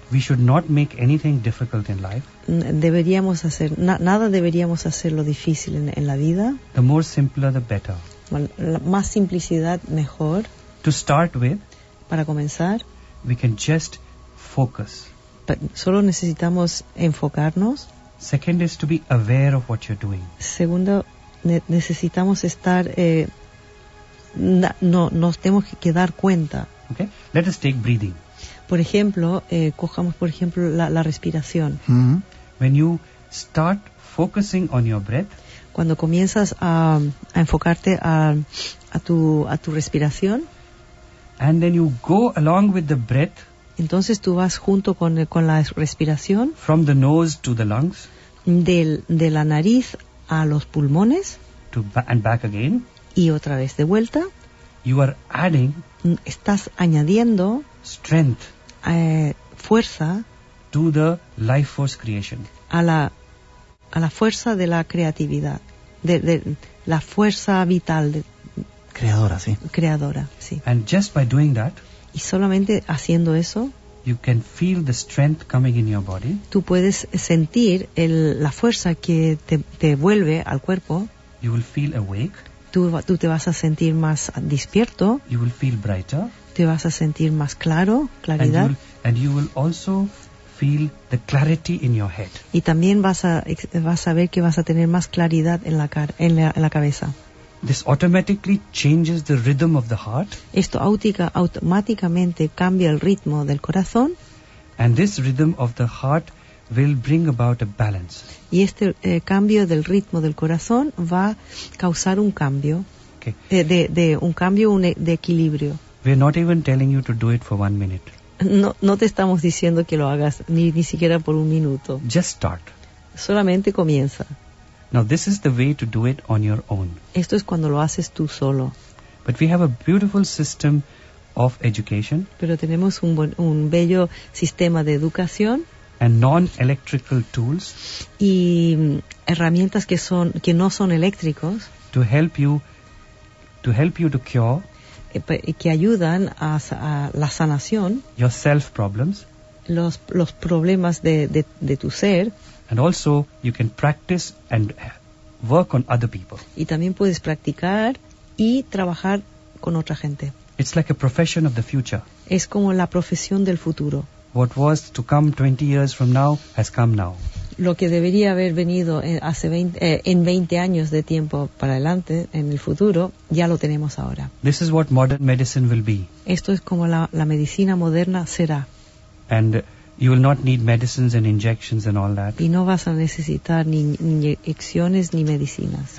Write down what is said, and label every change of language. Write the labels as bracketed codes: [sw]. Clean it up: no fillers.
[en] We should not make anything difficult in life. [es] Deberíamos hacer nada deberíamos hacerlo difícil en la vida. [en] The more simpler, the better. [es] Más simplicidad mejor. [en] To start with, [es] para comenzar, [en] we can just focus. [es] Solo necesitamos enfocarnos. [en] Second is to be aware of what you're doing. [es] Segundo, necesitamos estar nos tenemos que dar cuenta. [en] Okay. Let us take breathing. [es] Por ejemplo, cojamos por ejemplo la respiración. [en] Mm-hmm. When you start focusing on your breath, [es] cuando comienzas a enfocarte a tu respiración, [en] and then you go along with the breath, [es] entonces tú vas junto con la respiración, [en] from the nose to the lungs, [es] de la nariz a los pulmones, [en] and back again, [es] y otra vez de vuelta, [en] you are adding, [es] estás añadiendo [en] strength, [es] fuerza, [en] to the life force creation, [es] a la fuerza de la creatividad, de la fuerza vital de, creadora, sí. [en] And just by doing that, [es] y solamente haciendo eso, [en] you can feel the strength coming in your body, [es] tú puedes sentir la fuerza que te vuelve al cuerpo, [en] you will feel awake, [es] tú te vas a sentir más despierto, [en] you will feel brighter, [es] te vas a sentir más claro, claridad, [en] and you will also feel the clarity in your head. [es] Y también vas a ver que vas a tener más claridad en la cabeza. [en] This automatically changes the rhythm of the heart. [es] Esto automáticamente cambia el ritmo del corazón. [en] And this rhythm of the heart will bring about a balance. [es] Y este cambio del ritmo del corazón va a causar un cambio. [en] Okay. [es] De equilibrio. [en] We're not even telling you to do it for 1 minute. [es] No te estamos diciendo que lo hagas ni siquiera por un minuto. [en] Just start. [es] Solamente comienza. [en] Now this is the way to do it on your own. [es] Esto es cuando lo haces tú solo. [en] But we have a beautiful system of education. [es] Pero tenemos un bello sistema de educación. [en] And non-electrical tools. [es] Y herramientas que no son eléctricos. [en] To help you to cure. [es] Que ayudan a la sanación, [en] yourself problems, [es] los problemas de tu ser, [en] and also you can practice and work on other people. [es] Y también puedes practicar y trabajar con otra gente. [en] It's like a profession of the future. [es] Es como la profesión del futuro. [en] What was to come 20 years from now has come now. [es] lo que debería haber venido hace 20, en 20 años de tiempo para adelante, en el futuro, ya lo tenemos ahora. [en] This is what modern medicine will be. [es] Esto es como la medicina moderna será. [en] And you will not need medicines and injections and all that. [es] Y no vas a necesitar ni inyecciones ni medicinas.